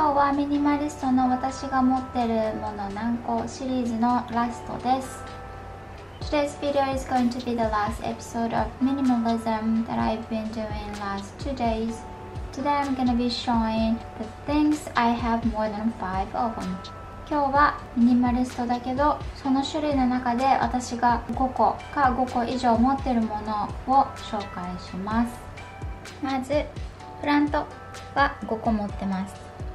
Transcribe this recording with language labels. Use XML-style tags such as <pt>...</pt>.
<ja>ーミニマリストの私が持ってるもの何個シリーズのラストです。</ja> <en>Today's video is going to be the last episode of minimalism that I've been doing last 2 days. Today I'm going to be showing the things I have more than 5 of them.</en> <ja>今日はミニマリストだけど、その種類の中で私が5個か5個以上持ってるものを紹介します。まずプラントは5個持ってます。</ja>